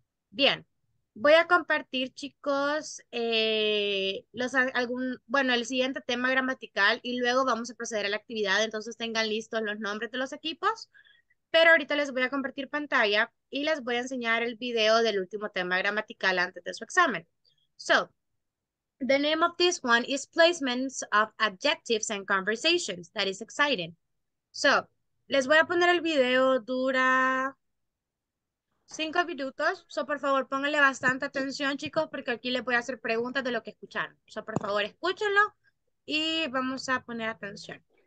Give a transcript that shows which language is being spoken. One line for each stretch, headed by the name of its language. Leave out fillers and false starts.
Spanish: Bien, voy a compartir, chicos, el siguiente tema gramatical y luego vamos a proceder a la actividad. Entonces, tengan listos los nombres de los equipos. Pero ahorita les voy a compartir pantalla y les voy a enseñar el video del último tema gramatical antes de su examen.
English: So, the name of this one is placements of adjectives and conversations. That is exciting.
Spanish: So, les voy a poner el video, dura 5 minutos. So, por favor, pónganle bastante atención, chicos, porque aquí les voy a hacer preguntas de lo que escucharon. So, por favor, escúchenlo y vamos a poner atención.